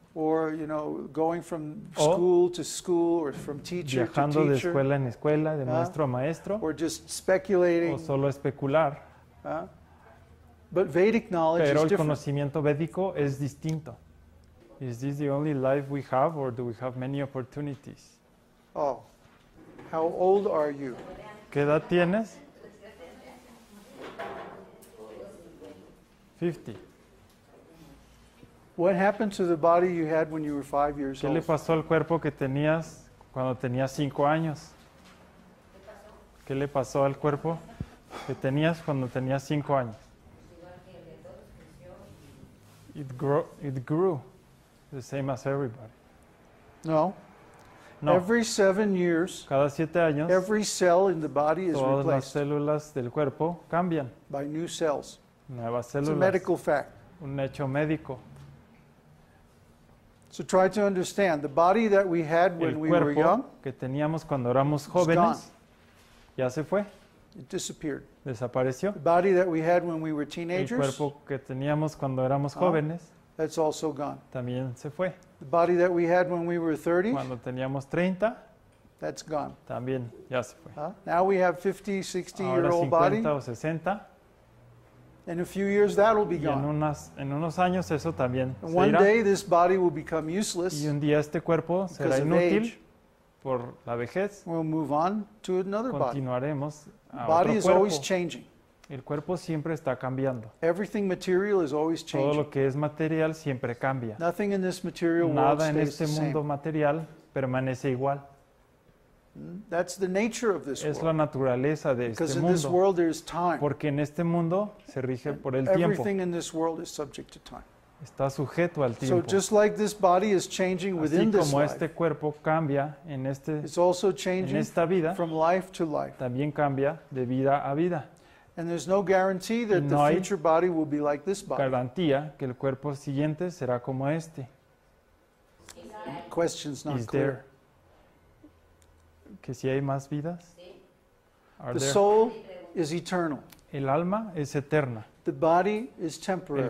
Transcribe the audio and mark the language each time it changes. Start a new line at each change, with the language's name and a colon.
English: Or, you know, going from school to school or from teacher to teacher.
Spanish: Viajando de escuela en escuela, de maestro a maestro.
English: Or just speculating.
Spanish: O solo especular.
English: But Vedic knowledge is different.
Spanish: Pero el conocimiento védico es distinto.
English: Is this the only life we have or do we have many opportunities? Oh, how old are you?
Spanish: ¿Qué edad tienes? 50.
English: What happened to the body you had when you were 5 years old?
Spanish: ¿Qué le pasó al cuerpo que tenías cuando tenías 5 años? ¿Qué le pasó al cuerpo que tenías cuando tenías 5 años?
English: It grew the same as everybody. No. Every 7 years,
Spanish: cada 7 años,
English: every cell in the body is replaced.
Spanish: Todas las células del cuerpo cambian.
English: By new cells.
Spanish: Nuevas células.
English: It's a medical fact.
Spanish: Un hecho médico.
English: So try to understand the body that we had when we were young.
Spanish: Que teníamos cuando éramos jóvenes. Ya se fue.
English: It disappeared.
Spanish: Desapareció.
English: The body that we had when we were teenagers.
Spanish: El cuerpo que teníamos cuando éramos jóvenes.
English: That's also gone.
Spanish: También se fue.
English: The body that we had when we were 30.
Spanish: Cuando teníamos 30.
English: That's gone.
Spanish: También ya se fue.
English: Now we have 50, 60 year old body.
Spanish: Ahora 50 o 60.
English: In a few years, that will be gone.
Spanish: En unos años, eso también se irá.
English: One day, this body will become useless.
Spanish: Y un día este cuerpo será inútil por la vejez.
English: We'll move on to another body.
Spanish: Continuaremos a otro cuerpo.
English: Body is always changing.
Spanish: El cuerpo siempre está cambiando.
English: Everything material is always changing.
Spanish: Todo lo que es material siempre cambia.
English: Nothing in this material world stays the same.
Spanish: Nada en este mundo material permanece igual.
English: That's the nature of this world.
Spanish: Es la naturaleza de este mundo.
English: Because in this world there is time.
Spanish: Porque en este mundo se rige por el tiempo.
English: Everything in this world is subject to time.
Spanish: Está sujeto al tiempo.
English: So just like this body is changing within this life.
Spanish: Así como este cuerpo cambia en este
English: it's also changing
Spanish: en esta vida,
English: from life to life.
Spanish: También cambia de vida a vida.
English: And there's no guarantee that
Spanish: no
English: the future body will be like this body.
Spanish: Garantía que el cuerpo siguiente será como este.
English: Question's not clear.
Spanish: There, que si hay más vidas?
English: Are the soul is eternal.
Spanish: El alma es eterna.
English: The body is temporary.